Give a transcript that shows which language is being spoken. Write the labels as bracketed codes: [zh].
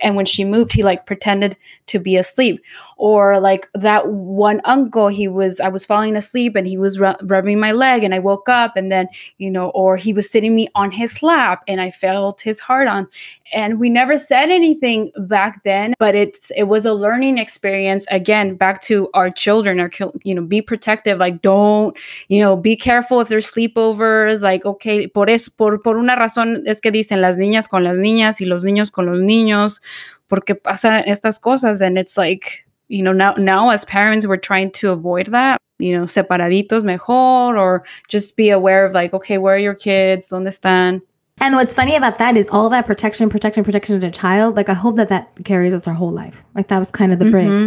[en] And when she moved, he like pretended to be asleep. Or like that one uncle, I was falling asleep and he was rubbing my leg and I woke up, and then, you know, or he was sitting me on his lap and I felt his heart on. And we never said anything back then, but it was a learning experience. Again, back to our children, or, you know, be protective. Like, don't, you know, be careful if there's sleepovers. Like, okay, [es] por eso, por una razón es que dicen las niñas con las niñas y los niños con los niños, porque pasan estas cosas. [en] And it's like, you know, now as parents, we're trying to avoid that, you know, [es] separaditos mejor, [en] or just be aware of like, okay, where are your kids? [es] ¿Dónde están? [en] And what's funny about that is all that protection of the child. Like, I hope that carries us our whole life. Like, that was kind of the break. Mm-hmm.